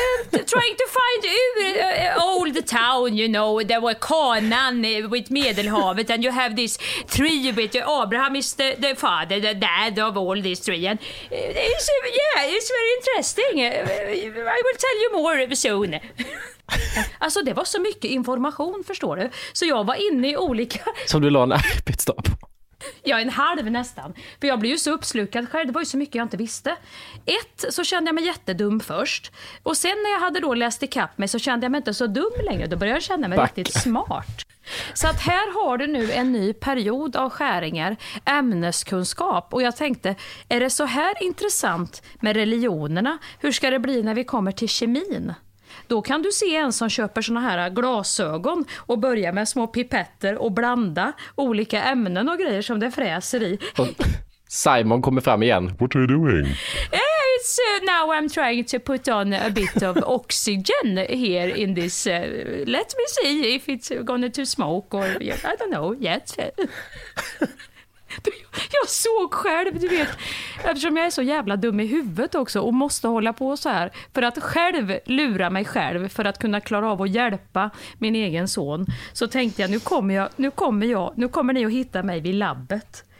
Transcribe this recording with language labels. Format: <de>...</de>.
<en>Trying to find old town, you know, there were Canaan with Medelhavet, and you have this tree with Abraham is the father, the dad of all this tree, and it's very interesting. I will tell you more soon.</en> <sv>Alltså det var så mycket information, förstår du, så jag var inne i olika, som du la en arbetsdag på. Ja, en halv nästan. För jag blev ju så uppslukad själv. Det var ju så mycket jag inte visste. Ett, så kände jag mig jättedum först. Och sen när jag hade då läst i kapp mig, så kände jag mig inte så dum längre. Då började jag känna mig riktigt smart. Så att här har du nu en ny period av skäringar, ämneskunskap. Och jag tänkte, är det så här intressant med religionerna? Hur ska det bli när vi kommer till kemin? Då kan du se en som köper såna här glasögon och börjar med små pipetter och blanda olika ämnen och grejer som det fräser i. Och Simon kommer fram igen.</sv> <en>What are you doing? It's now I'm trying to put on a bit of oxygen here in this. Let me see if it's going to smoke or I don't know yet.</en> <sv>Jag såg själv, du vet, eftersom jag är så jävla dum i huvudet också och måste hålla på så här för att själv lura mig själv för att kunna klara av att hjälpa min egen son, så tänkte jag, nu kommer ni att hitta mig vid labbet.</sv>